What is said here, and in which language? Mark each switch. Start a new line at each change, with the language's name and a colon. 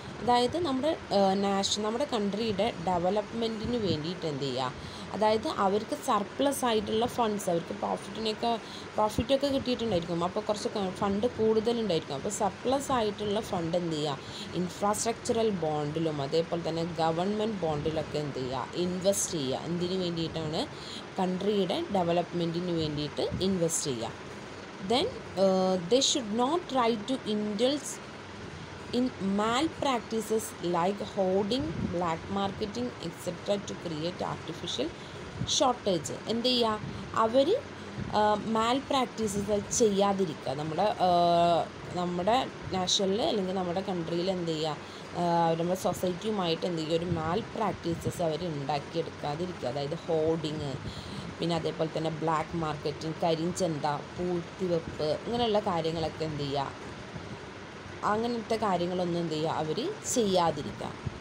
Malayalam: അതായത് നമ്മുടെ നമ്മുടെ കൺട്രിയുടെ ഡെവലപ്മെൻറ്റിന് വേണ്ടിയിട്ട് എന്ത് ചെയ്യുക, അതായത് അവർക്ക് സർപ്ലസ് ആയിട്ടുള്ള ഫണ്ട്സ്, അവർക്ക് പ്രോഫിറ്റൊക്കെ കിട്ടിയിട്ടുണ്ടായിരിക്കും, അപ്പോൾ കുറച്ച് ഫണ്ട് കൂടുതലുണ്ടായിരിക്കും, അപ്പോൾ സർപ്ലസ് ആയിട്ടുള്ള ഫണ്ട് എന്ത് ചെയ്യുക, ഇൻഫ്രാസ്ട്രക്ചറൽ ബോണ്ടിലും അതേപോലെ തന്നെ ഗവൺമെൻറ് ബോണ്ടിലൊക്കെ എന്ത് ചെയ്യുക, ഇൻവെസ്റ്റ് ചെയ്യുക. എന്തിനു വേണ്ടിയിട്ടാണ്, കൺട്രിയുടെ ഡെവലപ്മെൻറ്റിന് വേണ്ടിയിട്ട് ഇൻവെസ്റ്റ് ചെയ്യുക.
English: Then they should not try to indulge in malpractices like hoarding, black marketing, etc. to create artificial shortage.
Malayalam: എന്തെയ്യാ, അവർ മാൽപ്രാക്ടീസസ് ചെയ്യാതിരിക്കുക. നമ്മുടെ നമ്മുടെ നാഷണലിൽ അല്ലെങ്കിൽ നമ്മുടെ കൺട്രിയിൽ എന്ത് ചെയ്യുക, നമ്മുടെ സൊസൈറ്റിയുമായിട്ട് എന്ത് ചെയ്യുക, ഒരു മാൽപ്രാക്ടീസസ് അവർ ഉണ്ടാക്കിയെടുക്കാതിരിക്കുക. അതായത് ഹോർഡിങ്, പിന്നെ അതേപോലെ തന്നെ ബ്ലാക്ക് മാർക്കറ്റിംഗ്, കരിഞ്ചന്ത, പൂഴ്ത്തിവെപ്പ് അങ്ങനെയുള്ള കാര്യങ്ങളൊക്കെ എന്ത് ചെയ്യുക, അങ്ങനത്തെ കാര്യങ്ങളൊന്നും എന്ത് ചെയ്യുക, അവർ ചെയ്യാതിരിക്കുക.